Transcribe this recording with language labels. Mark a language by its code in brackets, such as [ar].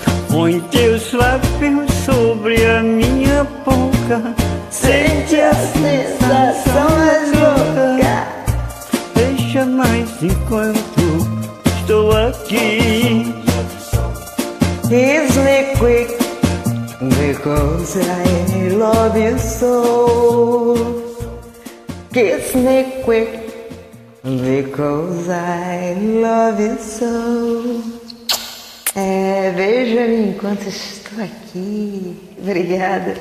[pt] Põe teus lábios sobre a minha boca, sente a sensação mais louca. Deixa mais enquanto estou aqui. [en] Kiss me quick, because I love you so. Kiss me quick, because I love you so. [pt] É, beija-me enquanto estou aqui. Obrigada.